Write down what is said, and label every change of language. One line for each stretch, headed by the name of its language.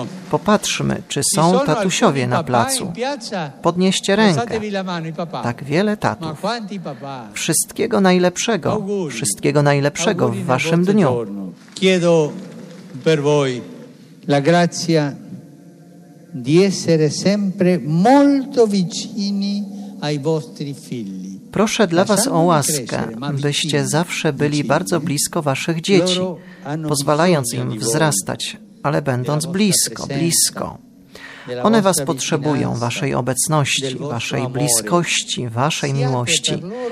Polish: Popatrzmy, czy są tatusiowie na placu. Podnieście rękę. Tak wiele tatów. Wszystkiego najlepszego. Wszystkiego najlepszego w waszym dniu.
Italian: Chiedo per voi la grazia di essere sempre molto vicini ai vostri figli.
Polish: Proszę dla was o łaskę, byście zawsze byli bardzo blisko waszych dzieci, pozwalając im wzrastać, ale będąc blisko, blisko. One was potrzebują, waszej obecności, waszej bliskości, waszej miłości.